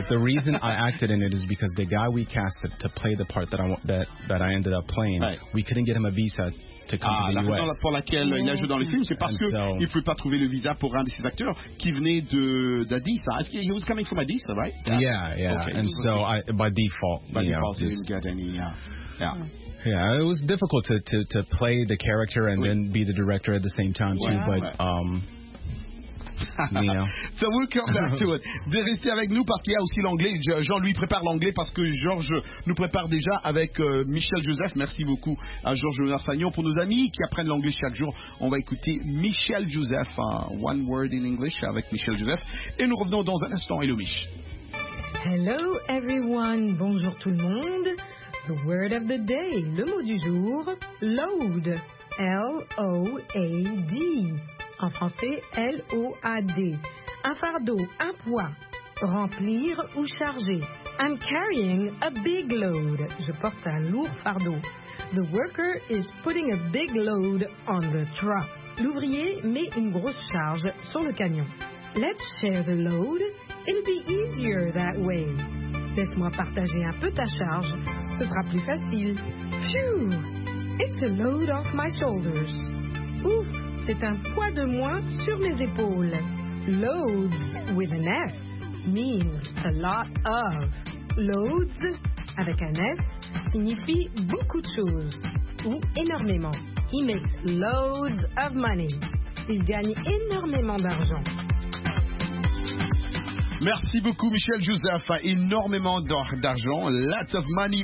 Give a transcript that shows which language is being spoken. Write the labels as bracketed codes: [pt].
[en] The reason I acted in it is because the guy we casted to play the part that I ended up playing, we couldn't get him a visa to come to the [fr] US. Ah, la raison pour laquelle il a joué dans le film, c'est parce qu'il ne pouvait pas trouver le visa pour un de ses acteurs qui venait d'Addis. [en] He was coming from Addis, right? Yeah. Okay. And so, by default, you didn't get any, Yeah, it was difficult to play the character and then be the director at the same time too. So we'll come back to it. [fr] De rester avec nous parce qu'il y a aussi l'anglais. Jean lui prépare l'anglais parce que Georges nous prépare déjà avec Michel Joseph. Merci beaucoup à Georges Narsagnon pour nos amis qui apprennent l'anglais chaque jour. On va écouter Michel Joseph, One Word in English avec Michel Joseph. Et nous revenons dans un instant. Hello, Mich. [en] Hello everyone, [fr] bonjour tout le monde. [en] The word of the day, [fr] le mot du jour, load, L-O-A-D, en français L-O-A-D, un fardeau, un poids, remplir ou charger. [en] I'm carrying a big load, [fr] je porte un lourd fardeau. [en] The worker is putting a big load on the truck, [fr] l'ouvrier met une grosse charge sur le camion. [en] Let's share the load, it'll be easier that way. [fr] Laisse-moi partager un peu ta charge, ce sera plus facile. [en] Phew, it's a load off my shoulders. [fr] Ouf, c'est un poids de moins sur mes épaules. [en] Loads, with an S, means a lot of. [fr] Loads, avec un S, signifie beaucoup de choses, ou énormément. [en] He makes loads of money. [fr] Il gagne énormément d'argent. Merci beaucoup, Michel Joseph. Énormément d'argent, [en] lots of money.